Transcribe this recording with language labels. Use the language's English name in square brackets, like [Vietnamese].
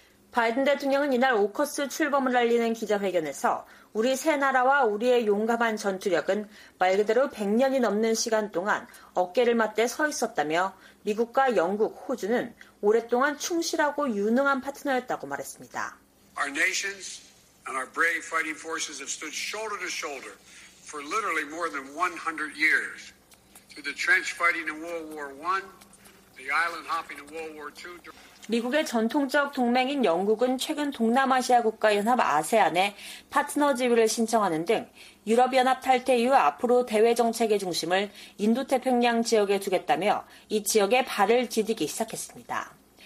[Korean] 바이든 대통령은 이날 오커스 출범을 알리는 기자회견에서 우리 세 나라와 우리의 용감한 전투력은 말 그대로 100년이 넘는 시간 동안 어깨를 맞대 서 있었다며 미국과 영국, 호주는 오랫동안 충실하고 유능한 파트너였다고 말했습니다. [English] Our nations and our brave fighting forces have stood shoulder to shoulder for literally more than 100 years. Through the trench fighting in World War I, the island hopping in World War II. [Korean] 미국의 전통적 동맹인 영국은 최근 동남아시아 국가연합 아세안에 파트너 지위를 신청하는 등 유럽연합 탈퇴 이후 앞으로 대외정책의 중심을 인도태평양 지역에 두겠다며 이 지역에 발을 디디기 시작했습니다.